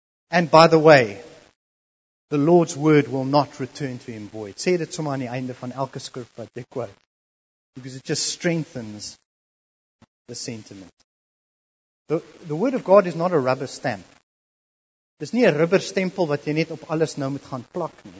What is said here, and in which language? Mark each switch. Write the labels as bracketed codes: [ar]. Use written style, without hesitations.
[en] And by the way, the Lord's word will not return to him void. [af] Sê dit sommer aan die einde van elke skrif wat jy quote. [en] Because it just strengthens the sentiment. The word of God is not a rubber stamp. [af] Dis nie 'n rubberstempel wat jy net op alles nou moet gaan plak nie.